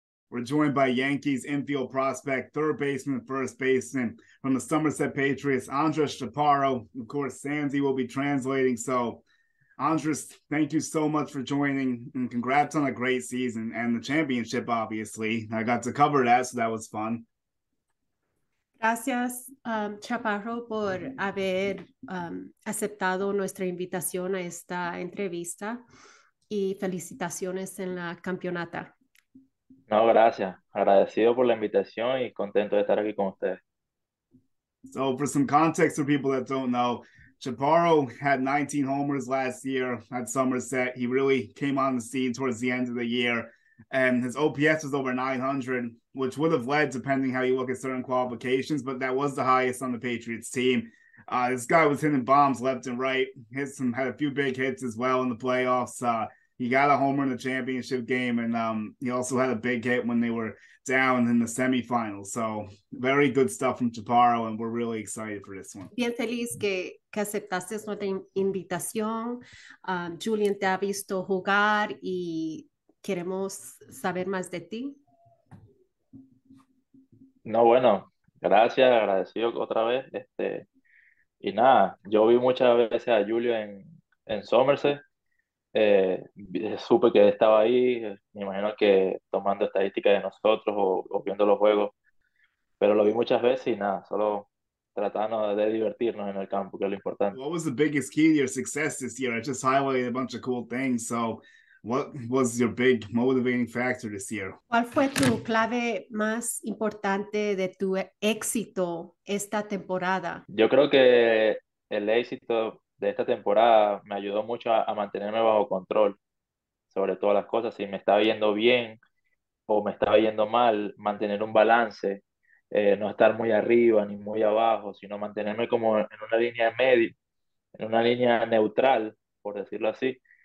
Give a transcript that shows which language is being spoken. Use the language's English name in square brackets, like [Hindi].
[English] We're joined by Yankees infield prospect, third baseman, first baseman from the Somerset Patriots, Andres Chaparro. Of course, Sandy will be translating. So, Andres, thank you so much for joining and congrats on a great season and the championship, obviously. I got to cover that, so that was fun. [Spanish] Gracias, Chaparro, por haber aceptado nuestra invitación a esta entrevista y felicitaciones en la campeonata. No, gracias. Agradecido por la invitación y contento de estar aquí con ustedes. [English] So, for some context for people that don't know, Chaparro had 19 homers last year at Somerset. He really came on the scene towards the end of the year, and his OPS was over 900, which would have led, depending how you look at certain qualifications, but that was the highest on the Patriots team. This guy was hitting bombs left and right, had a few big hits as well in the playoffs. He got a homer in the championship game, and he also had a big hit when they were down in the semifinals. So, very good stuff from Chaparro, and we're really excited for this one. [Spanish] Bien feliz que aceptaste nuestra invitación. Julian te ha visto jugar, y queremos saber más de ti. No, bueno, gracias, agradecido otra vez. Y nada, yo vi muchas veces a Julio en Somerset. Supe que estaba ahí, me imagino que tomando estadísticas de nosotros o viendo los juegos, pero lo vi muchas veces y nada, solo tratando de divertirnos en el campo, que es lo importante. [English] What was the biggest key to your success this year? I just highlighted a bunch of cool things, so what was your big motivating factor this year? [Spanish] ¿Cuál fue tu clave más importante de tu éxito esta temporada? Yo creo que el éxito de esta temporada me ayudó mucho a mantenerme bajo control sobre todas las cosas. Si me estaba yendo bien o me estaba yendo mal, mantener un balance, no estar muy arriba ni muy abajo, sino mantenerme como en una línea media, en una línea neutral, por decirlo así.